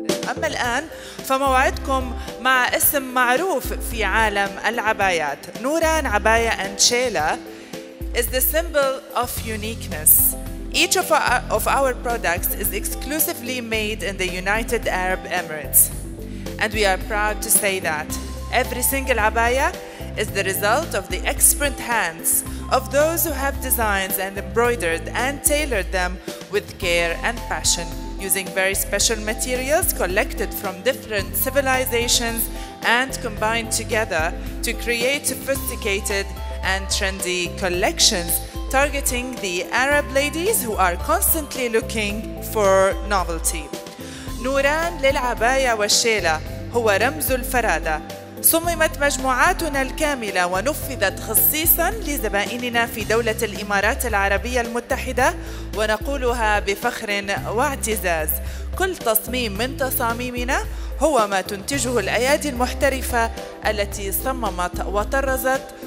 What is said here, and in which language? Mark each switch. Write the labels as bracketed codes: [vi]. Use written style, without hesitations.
[ar] أما الآن فموعدكم مع اسم معروف في عالم العبايات، نوران عباية أنشيلا [en] is the symbol of uniqueness. Each of our products is exclusively made in the United Arab Emirates. And we are proud to say that every single abaya is the result of the expert hands of those who have designed and embroidered and tailored them with care and passion, using very special materials collected from different civilizations and combined together to create sophisticated and trendy collections targeting the Arab ladies who are constantly looking for novelty. [ar] نوران للعباية والشيلة هو رمز الفرادة. صممت مجموعاتنا الكاملة ونفذت خصيصاً لزبائننا في دولة الإمارات العربية المتحدة، ونقولها بفخر واعتزاز. كل تصميم من تصاميمنا هو ما تنتجه الأيادي المحترفة التي صممت وطرزت